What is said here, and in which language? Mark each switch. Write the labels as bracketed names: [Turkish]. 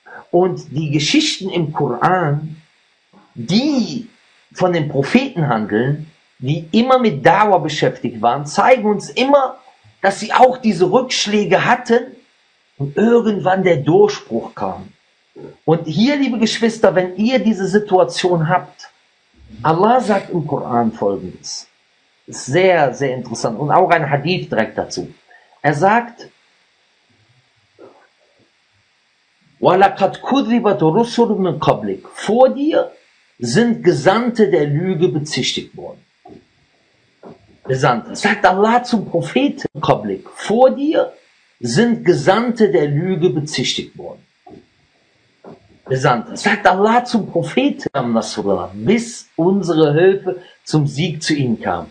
[German] Und die Geschichten im Koran, die von den Propheten handeln, die immer mit Dawah beschäftigt waren, zeigen uns immer, dass sie auch diese Rückschläge hatten und irgendwann der Durchbruch kam. Und hier, liebe Geschwister, wenn ihr diese Situation habt, Allah sagt im Koran Folgendes. Ist sehr, sehr interessant. Und auch ein Hadith direkt dazu. Er sagt, [Arabic] وَلَقَدْ كُذِّبَتْ رُسُلٌ مِنْ قَبْلِكَ. [German] Vor dir sind Gesandte der Lüge bezichtigt worden. Gesandte. Sagt Allah zum Propheten, Koblik, vor dir sind Gesandte der Lüge bezichtigt worden. Gesandte. Sagt Allah zum Propheten, bis unsere Hilfe zum Sieg zu ihnen kam.